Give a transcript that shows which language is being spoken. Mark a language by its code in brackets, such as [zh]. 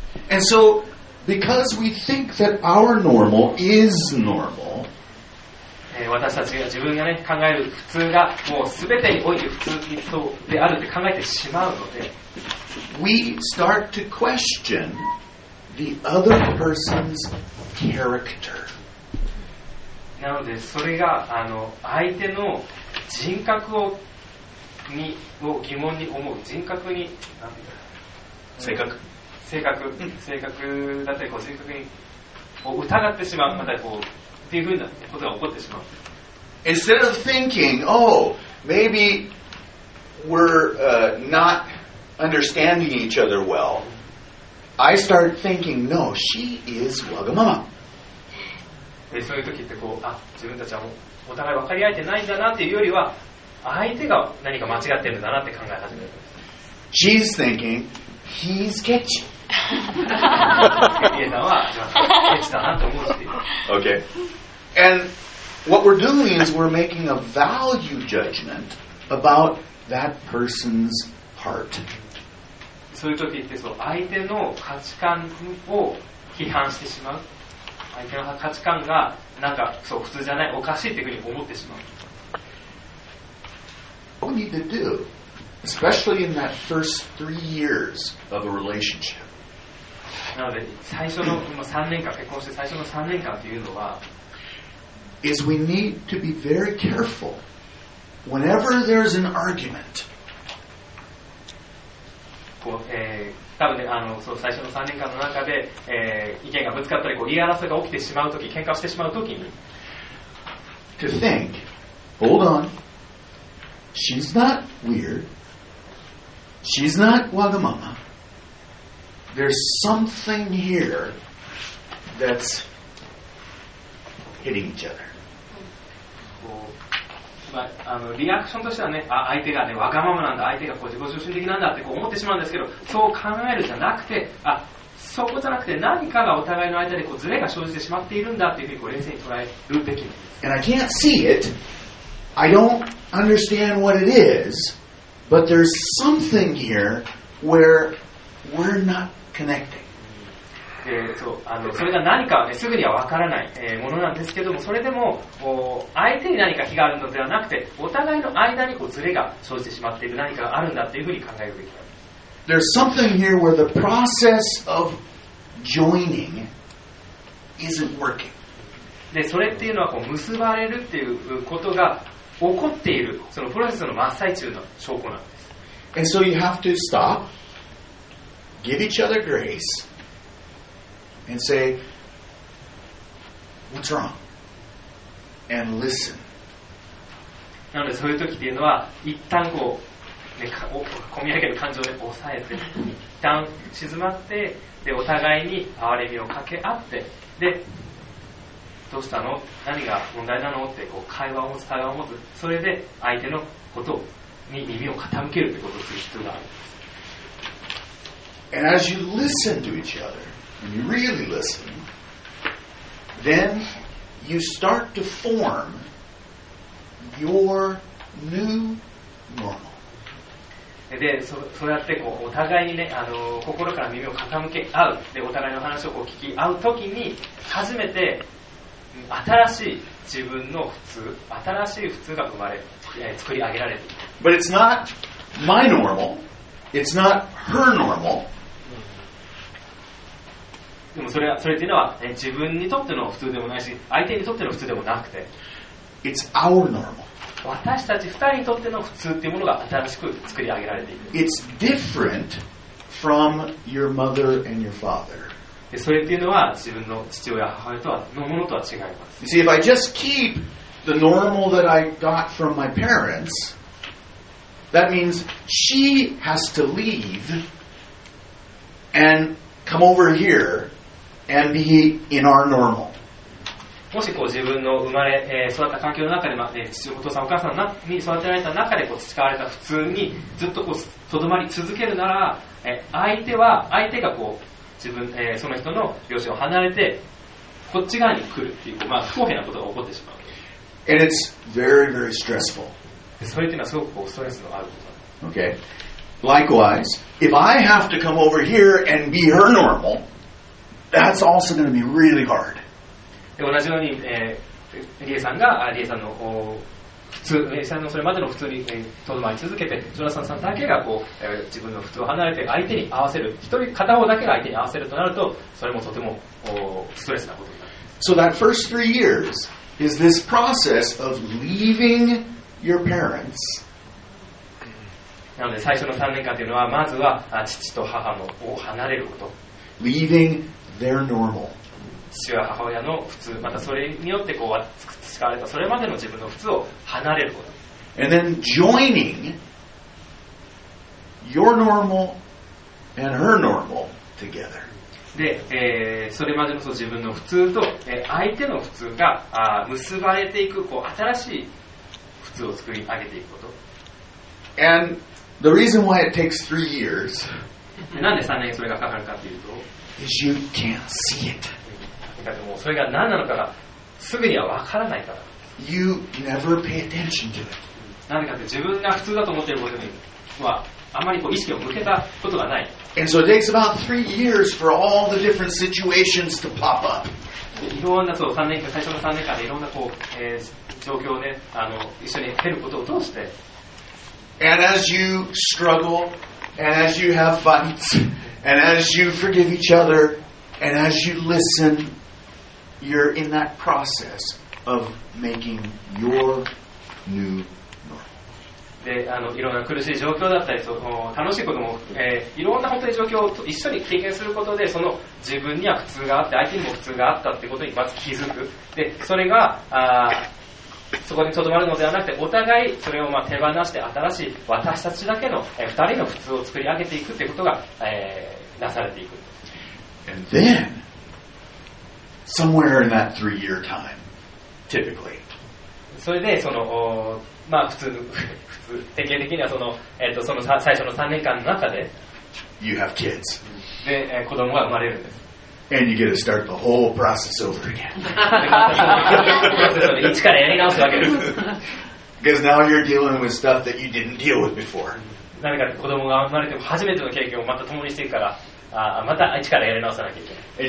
[en] And so, because we think that our normal is normal, [ja] 私たちが自分が、ね、考える普通がもう全てにおいて普通であるって考えてしまうので [en] We start to question the other person's character. [ja] なのでそれがあの相手の人格 を疑問に思う人格に性格だったりこう人格にこう疑ってしまうまたこうっていうふうなことが起こってしまう。 [en] Instead of thinking, oh, maybe we're not understanding each other well, I start thinking, no, she is わがまま。 [ja] でそういう時ってこう、あ、自分たちはお互い分かり合えてないんだなっていうよりは、相手が何か間違ってるんだなって考え始める。 [en] She's thinking, he's catchy. [ja] リエさんは、ケチだなと思うし。 [en] Okay. And what we're doing is we're making a value judgment about that person's heart. [ja] そういう時ってそう、相手の価値観を批判してしまう。相手の価値観がなんかそう普通じゃない、おかしいっていうふうに思ってしまう。 [en] What we need to do, especially in that first three years of a relationship. [ja] なので最初の3年間、結婚して最初の3年間というのは、 [en] is we need to be very careful whenever there's an argument. [ja] こう、多分ね、そう最初の3年間の中で、意見がぶつかったり、こう言い争いが起きてしまうとき、喧嘩してしまうときに、 [en] to think, hold on. She's not weird. She's not wagamama. There's something here that's hitting each other. [ja] こう、まあ、リアクションとしてはね、あ、相手がね、わがままなんだ、相手がこう自己中心的なんだってこう思ってしまうんですけど、そう考えるじゃなくて、あ、そこじゃなくて何かがお互いの間でこうズレが生じてしまっているんだっていうふうにこう冷静に捉えるべきなんです。 [en] And I can't see it. I don't understand what it is, but there's something here where we're not connecting. [ja] そう、それが何かは、ね、すぐには分からない、ものなんですけども、それでも相手に何か非があるのではなくて、お互いの間にこうズレが生じてしまっている何かがあるんだというふうに考えるべきだ。 [en] There's something here where the process of joining isn't working. [ja] で、それっていうのはこう結ばれるっていうことが起こっているそのプロセスの真っ最中の証拠なんです。 [en] And so you have to stop, give each other grace, and say, what's wrong? And listen. [ja] なのでそういう時っていうのは一旦こう、ね、こみ上げる感情で抑えて一旦静まってでお互いに哀れみをかけ合ってで。どうしたの？何が問題なの？ってこう会話を持つ、会話を持つ、それで相手のことに耳を傾けるということをする必要があるんです。 [en] And as you listen to each other, and you really listen, then you start to form your new normal. [ja] で、そうやってこうお互いにね、心から耳を傾け合う、でお互いの話をこう聞き合うときに、初めて新しい自分の普通、新しい普通が生まれ、作り上げられている。 [en] But it's not my normal. It's not her normal. [ja] でもそれっていうのは、ね、自分にとっての普通でもないし、相手にとっての普通でもなくて、 [en] It's our normal. [ja] 私たち二人にとっての普通っていうものが新しく作り上げられている。 [en] It's different from your mother and your father. [ja] それっていうのは自分の父親、母親とはのものとは違います。 [en] You see, if I just keep the normal that I got from my parents, that means she has to leave and come over here and be in our normal. [ja] もしこう自分の生まれ、育った環境の中で、まあね、父親、お父さん、お母さんに育てられた中でこう培われた普通にずっとこう留まり続けるなら、相手がこう自分その人の両親を離れてこっち側に来るっていう、まあ、不公平なことが起こってしまう。 [en] And it's very, very stressful. [ja] それっていうのはすごくストレスのあること。 [en] Okay. Likewise, if I have to come over here and be her normal, that's also going to be really hard. [ja] 同じように、リエさんがリエさんの普通、リエさんのそれまでの普通にとどまり続けて、ジョナサンさんだけがこう、自分の普通を離れて相手に合わせる、一人片方だけが相手に合わせるとなると、それもとてもストレスなことになる。 [en] So that first three years is this process of leaving your parents. [ja] なので最初の3年間というのは、まずは父と母のを離れること。 [en] Leaving their normal. [ja] 父親母親の普通、またそれによってこう培われたそれまでの自分の普通を離れること、 [en] and then joining your normal and her normal together。 [ja] で、それまでの自分の普通と、相手の普通が結ばれていく、こう新しい普通を作り上げていくこと。 [en] And the reason why it takes three years [ja] なんで3年それがかかるかというと、 [en] is you can't see it。 [ja] だってもうそれが何なのかがすぐには分からないから。 [en] You never pay attention to it。 [ja] なんでかって自分が普通だと思っていることにはあまりこう意識を向けたことがない。 [en] And so it takes about three years for all the different situations to pop up。 [ja] いろんなそう3年間、最初の3年間でいろんなこう、状況をね、一緒に経ることを通して。 [en] And as you struggle, and as you have fights, and as you forgive each other, and as you listen, you're in that process of making your new [ja] であのいろんな苦しい状況だったりその楽しいことも、いろんな本当に状況を一緒に経験することでその自分には普通があって相手にも普通があったってことにまず気づく。でそれがそこにとどまるのではなくてお互いそれをまあ手放して新しい私たちだけの、二人の普通を作り上げていくってことが、なされていく。 [en] And then somewhere in that three year time typically [ja] それでそのまあ普通の典型的にはその、その最初の3年間の中で [en] You have kids [ja] で、子供が生まれるんです。 [en] And you get to start the whole process over again [ja] プロセスを一からやり直すわけです [en] Because now you're dealing with stuff that you didn't deal with before [ja] 何か子供が生まれても初めての経験をまた共にしていくからまた一からやり直さなきゃいけない。